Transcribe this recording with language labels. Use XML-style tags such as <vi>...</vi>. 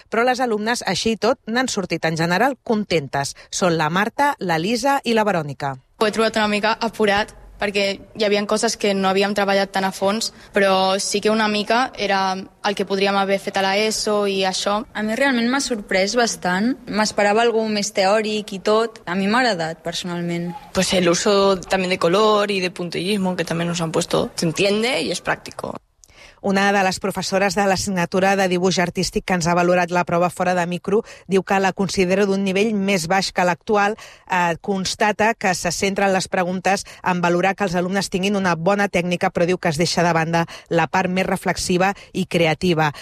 <ca>Però les alumnes, així i tot, n'han sortit en general contentes. Són la Marta, la Lisa i la Verònica. Ho he trobat una mica apurat, perquè hi havia coses que no havíem treballat tan a fons, però sí que una mica era el que podríem haver fet a l'ESO i això. A mi realment m'ha sorprès bastant. M'esperava algú més teòric i tot. A mi m'ha agradat, personalment.</ca> <es>Pues el uso también de color y de puntillismo, que también nos han puesto. Se entiende y es práctico.</es> <ca>Una de les professores de l'assignatura de dibuix artístic que ens ha valorat la prova fora de micro diu que la considera d'un nivell més baix que l'actual. Constata que se centren les preguntes en valorar que els alumnes tinguin una bona tècnica, però diu que es deixa de banda la part més reflexiva i creativa.</ca>